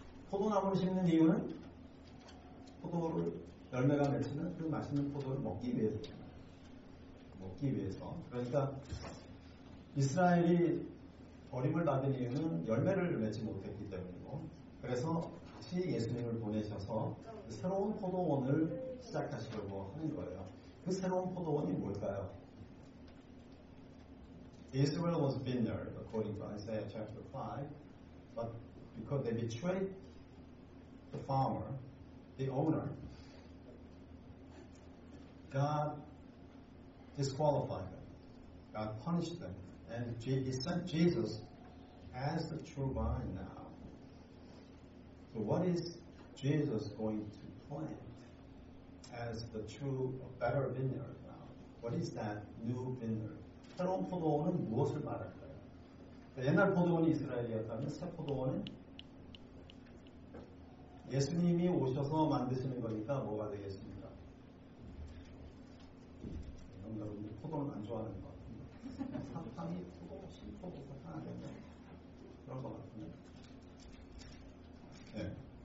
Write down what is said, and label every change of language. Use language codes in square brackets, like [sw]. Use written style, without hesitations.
[ko] 포도나무를 심는 이유는 포도를 열매가 맺히는 그 맛있는 포도를 먹기 위해서 먹기 위해서 그러니까 이스라엘이 버림을 받은 이유는 열매를 맺지 못했기 때문이고 그래서 다시 예수님을 보내셔서 새로운 포도원을 시작하시려고 하는 거예요. 그 새로운 포도원이 뭘까요? [en] Israel was vineyard according to Isaiah chapter 5 but because they betrayed the farmer the owner God disqualified them. God punished them. And he sent Jesus as the true vine now. So what is Jesus going to plant as the true, better vineyard now? What is that new vineyard? [ko] 새로운 포도원은 무엇을 말할까요? 옛날 포도원이 이스라엘이었다면 새 포도원은 예수님이 오셔서 만드시는 거니까 뭐가 되겠습니까? 여러분들 포도를 안 좋아하는 것 같은데 사탕이 포도, 신포도 사탕 아닌가 그런 것 같은데 네.